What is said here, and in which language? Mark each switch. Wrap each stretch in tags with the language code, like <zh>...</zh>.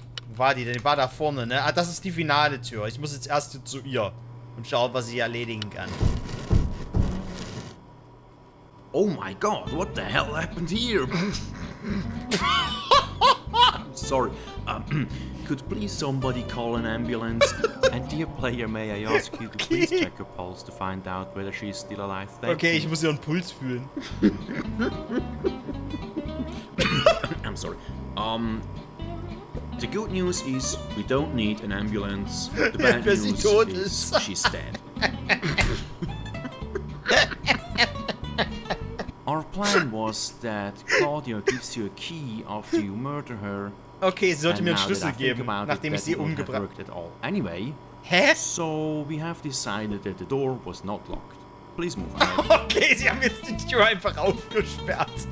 <de>Wo war die denn? Die war da vorne, ne? Ah, das ist die finale Tür. Ich muss jetzt erst zu ihr und schauen, was ich erledigen kann.</de> <en>Oh my god, what the hell happened here? Sorry. Could please somebody call an ambulance? And dear player, may I ask you to please check her pulse to find out whether she is still alive? Thank</en> <de>okay,</de> <en>you.</en> <de>Ich muss ihren Puls fühlen.</de> <en>I'm sorry. The good news is we don't need an ambulance. The bad news</en> <de>sie tot</de> <en>is she's dead. plan was that Claudia gives you a key after you murder her.</en> <de>Okay, sie sollte mir einen Schlüssel geben, nachdem ich sie umgebracht habe.</de> <en>Anyway,</en> <de>hä?</de> <en>So we have decided that the door was not locked. Please move on.</en> <de>Okay, sie haben jetzt die Tür einfach aufgesperrt.</de>